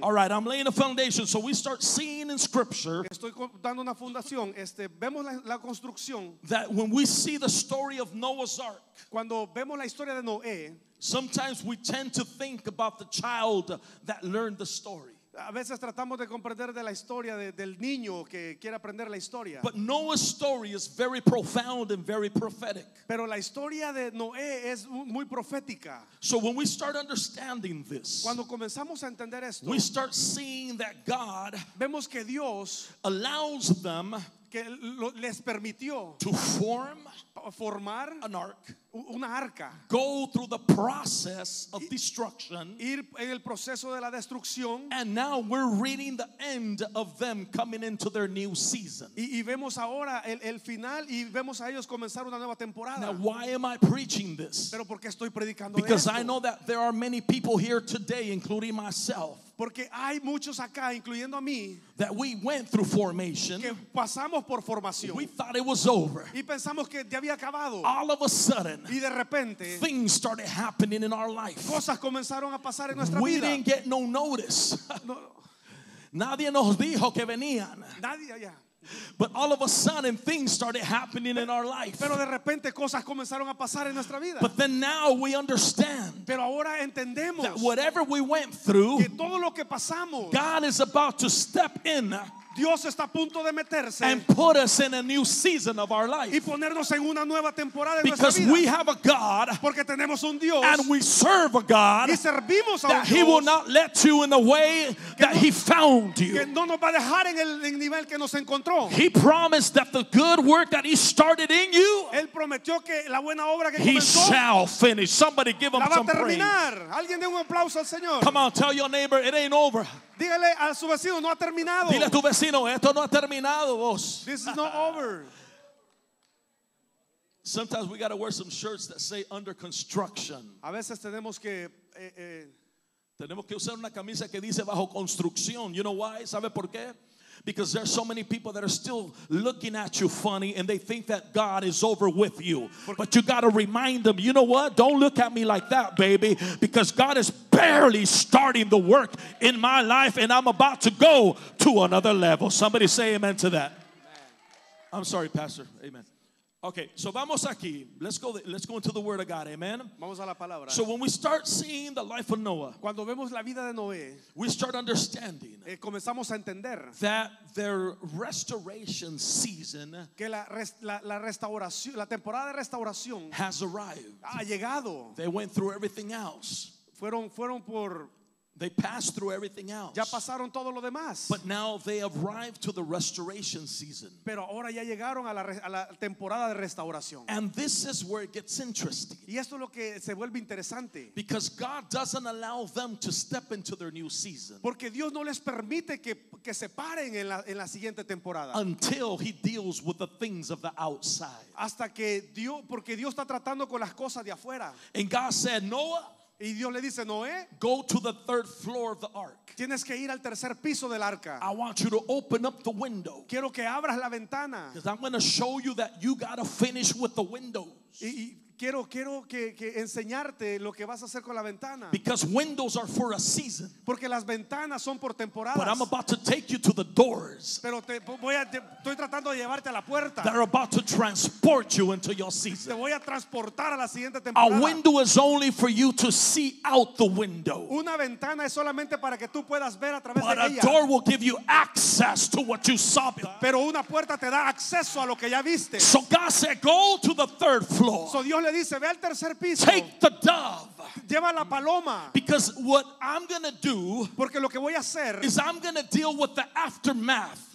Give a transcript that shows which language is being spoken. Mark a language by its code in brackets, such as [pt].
[en] All right, I'm laying a foundation, so we start seeing in Scripture. [es] Estoy dando una fundación. Vemos la construcción. [en] That when we see the story of Noah's Ark, [es] cuando vemos la historia de Noé, [en] sometimes we tend to think about the child that learned the story. [es] A veces tratamos de comprender de la historia del niño que quiere aprender la historia. [en] But Noah's story is very profound and very prophetic. [es] Pero la historia de Noé es muy profética. [en] So when we start understanding this, [es] cuando comenzamos a entender esto, [en] we start seeing that God, [es] vemos que Dios [en] allows them, [es] que les permitió, [en] to form, [es] formar [en] an ark. [es] Una arca. [en] Go through the process of destruction. [es] Ir en el proceso de la destrucción. [en] And now we're reading the end of them coming into their new season. [es] Y vemos ahora el final y vemos a ellos comenzar una nueva temporada. [en] Now why am I preaching this? [es] Pero porque estoy predicando [en] because [es] esto. [en] I know that there are many people here today, including myself. [es] Porque hay muchos acá, incluyendo a mí, [en] that we went through formation. [es] Que pasamos por formación. [en] We thought it was over. [es] Y pensamos que ya había acabado. [en] All of a sudden, [es] y de repente, [en] things started happening in our life. [es] Cosas comenzaron a pasar en nuestra [en] we [es] vida. [en] Didn't get no notice. [es] Nadie nos dijo que venían. Nadie allá. [en] But all of a sudden things started happening in our life. [es] Pero de repente cosas comenzaron a pasar en nuestra vida. [en] But then now we understand. [es] Pero ahora entendemos [en] that whatever we went through, [es] que todo lo que pasamos, [en] God is about to step in. [es] Dios está a punto de meterse, [en] and put us in a new season of our life. [es] Y ponernos en una nueva temporada en [en] because [es] nuestra vida. [en] We have a God, [es] porque tenemos un Dios, [en] and we serve a God [es] y servimos a [en] that [es] un Dios, [en] He will not let you in the way that no, He found you. [es] Que no nos va a dejar en el nivel que nos encontró. [en] He promised that the good work that He started in you, [es] él prometió que la buena obra que [en] He [es] comenzó, [en] shall finish. Somebody give Him [es] la va [en] some [es] terminar. [en] Praise. [es] Alguien dé un aplauso al Señor. [en] Come on, tell your neighbor, it ain't over. [es] Dígale a su vecino, no ha terminado. Dile a tu vecino, esto no ha terminado, vos. [en] This is not over. Sometimes we got to wear some shirts that say under construction. [es] A veces tenemos que tenemos que usar una camisa que dice bajo construcción. [en] You know why? [es] ¿Sabe por qué? [en] Because there are so many people that are still looking at you funny and they think that God is over with you. But you got to remind them, you know what? Don't look at me like that, baby. Because God is barely starting the work in my life and I'm about to go to another level. Somebody say amen to that. Amen. I'm sorry, Pastor. Amen. Okay, so [es] vamos aquí. [en] Let's go into the Word of God. Amen. [es] Vamos a la palabra. [en] So when we start seeing the life of Noah, [es] cuando vemos la vida de Noé, [en] we start understanding [es] comenzamos a entender [en] that their restoration season, [es] que la restauración, la temporada de restauración, [en] has arrived. [es] Ha llegado. [en] They went through everything else. [es] Fueron por [en] They passed through everything else. [es] Ya pasaron todo lo demás. [en] But now they arrived to the restoration season. [es] Pero ahora ya llegaron a la temporada de restauración. [en] And this is where it gets interesting. [es] Y esto es lo que se vuelve interesante. [en] Because God doesn't allow them to step into their new season. [es] Porque Dios no les permite que se paren en la siguiente temporada. [en] Until He deals with the things of the outside. [es] Hasta que Dios, porque Dios está tratando con las cosas de afuera. [en] And God said, Noah, [es] y Dios le dice, Noé, [en] go to the third floor of the ark. [es] Tienes que ir al tercer piso del arca. [en] I want you to open up the window. [es] Quiero que abras la ventana. [en] Because I'm going to show you that you got to finish with the windows. [es] Y quiero que enseñarte lo que vas a hacer con la ventana. [en] Because windows are for a season. [es] Porque las ventanas son por temporadas. [en] But I'm about to take you to the doors. [es] Pero estoy tratando de llevarte a la puerta. [en] They're about to transport you into your season. [es] Te voy a transportar a la siguiente temporada. [en] A window is only for you to see out the window. [es] Una ventana es solamente para que tú puedas ver a través de ella. [en] But a door will give you access to what you saw. [es] Pero una puerta te da acceso a lo que ya viste. [en] So God said, go to the third floor. [es] Le dice, ve al tercer piso. [en] Take the dove. [es] Lleva la paloma. [en] Because what I'm going to do, [es] porque lo que voy a hacer, [en] is I'm going to deal with the aftermath.